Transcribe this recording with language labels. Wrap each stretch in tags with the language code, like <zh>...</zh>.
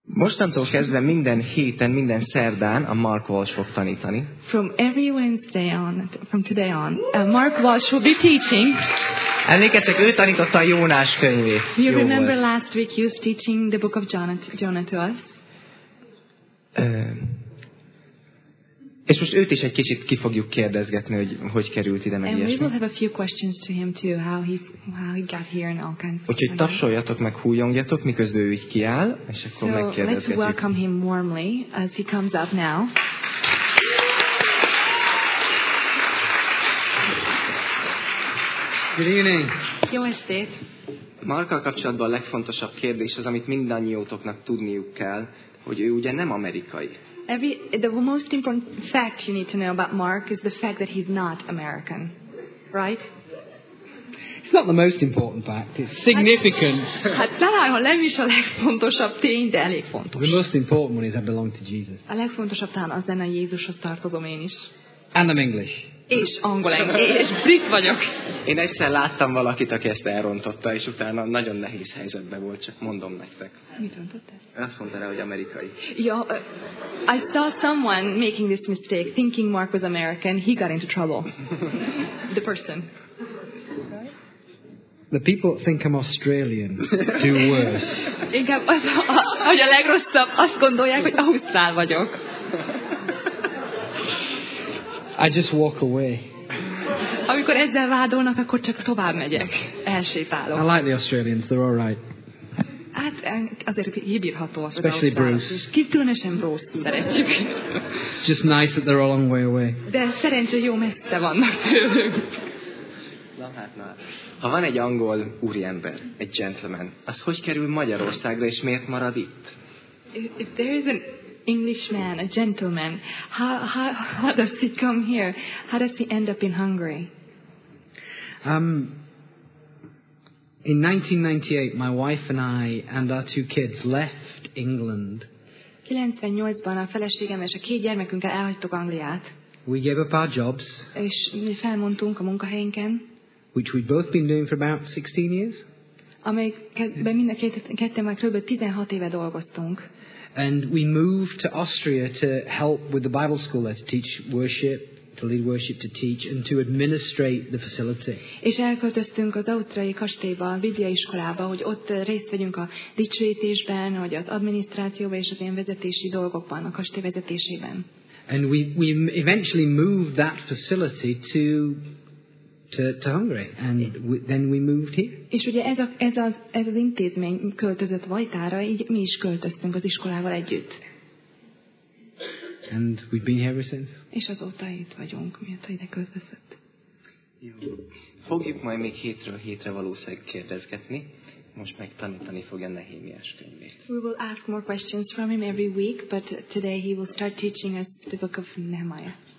<hu>Mostantól kezdve minden héten, minden szerdán a Mark Walsh fog tanítani.</hu> <en>From every Wednesday on, from today on, Mark Walsh will be teaching.</en> <hu>Emlékeztek, ő tanította a Jónás könyvét.</hu> <en>You remember last week he was teaching the book of Jonah to us?</en> <hu>És most őt is egy kicsit ki fogjuk kérdezgetni, hogy hogy került ide meg ilyesmi.</hu> <en>And we will have a few questions to him too, how he got here and all kinds of</en> <hu>Úgyhogy tapsoljatok meg, hújongjatok, miközben ő így kiáll, és akkor megkérdezgetjük.</hu> <en>So let's welcome him warmly as he comes up now. Good evening.</en> <hu>Jó estét. Markkal kapcsolatban a legfontosabb kérdés az, amit mindannyiótoknak tudniuk kell, hogy ő ugye nem amerikai.</hu> <en>The most important fact you need to know about Mark is the fact that he's not American, right? It's not the most important fact. It's significant.</en> <hu>Hát talán a nem is a legfontosabb tény, de elég fontos.</hu> <en>The most important one is I belong to Jesus.</en> <hu>A legfontosabb talán az lenne, Jézushoz tartozom én is.</hu> <en>And I'm English.</en> <hu>És angol, és brit vagyok. Én egyszer láttam valakit, aki ezt elrontotta, és utána nagyon nehéz helyzetben volt, csak mondom nektek. Mit rontottál? Azt mondta rá, hogy amerikai.</hu> <en>Yeah, I saw someone making this mistake, thinking Mark was American. He got into trouble. The person. The people that think I'm Australian do worse.</en> <hu>Inkább az, hogy a legrosszabb, azt gondolják, hogy ausztrál vagyok.</hu> <en>I just walk away.</en> <hu>Amikor ezzel vádolnak, akkor csak tovább megyek, elsétálok.</hu> <en>I like the Australians, they're all right.</en> <hu>Hát azért kibírható.</hu> <en>Especially Bruce.</en> <hu>Különösen Bruce szeretjük.</hu> <en>It's just nice that they're a long way away.</en> <hu>De szerencsé jó messze vannak tőlünk. Na. Ha van egy angol úriember, egy gentleman, az hogy kerül Magyarországra és miért marad itt?</hu> <en>If there is an Englishman, a gentleman, how does he come here? How does he end up in Hungary? In 1998, my wife and I and our two kids left England.</en> <hu>98-ban a feleségem és a két gyermekünkkel elhagytuk Angliát.</hu> <en>We gave up our jobs.</en> <hu>És mi felmondtunk a munkahelyünkön.</hu> <en>Which we'd both been doing for about 16 years.</en> <hu>Amelyben mind a ketten már kb. 16 éve dolgoztunk.</hu> <en>And we moved to Austria to help with the Bible school there, to teach worship, to lead worship, to teach, and to administrate the facility.</en> <hu>És elköltöztünk az ausztriai kastélyba, a Biblia iskolába, hogy ott részt vegyünk a dicsőítésben, vagy az adminisztrációban és az ilyen vezetési dolgokban, a kastély vezetésében.</hu> <en>And we eventually moved that facility to Hungary, and then we moved here.</en> <hu>És ugye ez az intézmény költözött Vajtára, így mi is költöztünk az iskolával együtt.</hu> <en>And we've been here ever since.</en> <hu>És azóta itt vagyunk, mióta ide költözött. Jó. Fogjuk majd még hétről hétre valószínűleg kérdezgetni. Most meg tanítani fogja Nehémiás könyvét.</hu> <en>We will ask more questions from him every week, but today he will start teaching us the book of Nehemiah.</en>